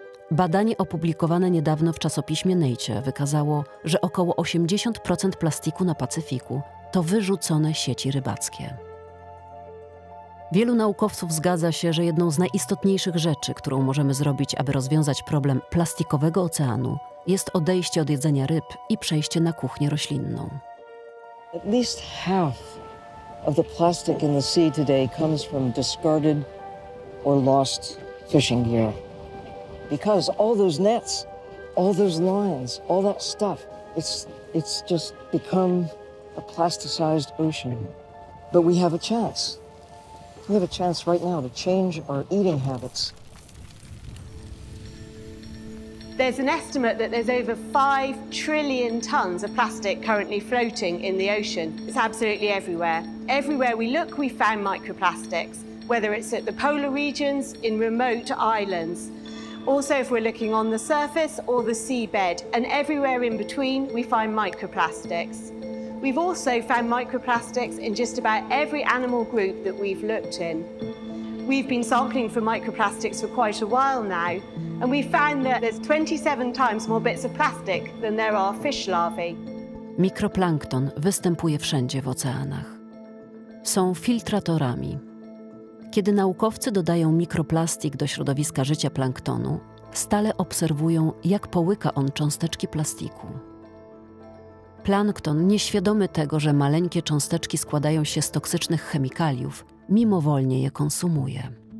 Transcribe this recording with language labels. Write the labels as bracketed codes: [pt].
[pl] Badanie opublikowane niedawno w czasopiśmie Nature wykazało, że około 80% plastiku na Pacyfiku to wyrzucone sieci rybackie. Wielu naukowców zgadza się, że jedną z najistotniejszych rzeczy, którą możemy zrobić, aby rozwiązać problem plastikowego oceanu, jest odejście od jedzenia ryb i przejście na kuchnię roślinną. [en] At least half of the plastic in the sea today comes from discarded or lost fishing gear. Because all those nets, all those lines, all that stuff, it's just become a plasticized ocean. But we have a chance We have a chance right now to change our eating habits. There's an estimate that there's over 5 trillion tons of plastic currently floating in the ocean. It's absolutely everywhere. Everywhere we look, we found microplastics, whether it's at the polar regions, in remote islands. Also, if we're looking on the surface or the seabed, and everywhere in between, we find microplastics. We've also found microplastics in just about every animal group that we've looked in. We've been sampling for microplastics for quite a while now, and we found that there's 27 times more bits of plastic than there are fish larvae. [pl] Mikroplankton występuje wszędzie w oceanach. Są filtratorami. Kiedy naukowcy dodają mikroplastik do środowiska życia planktonu, stale obserwują, jak połyka on cząsteczki plastiku. Plankton, nieświadomy tego, że maleńkie cząsteczki składają się z toksycznych chemikaliów, mimowolnie je konsumuje.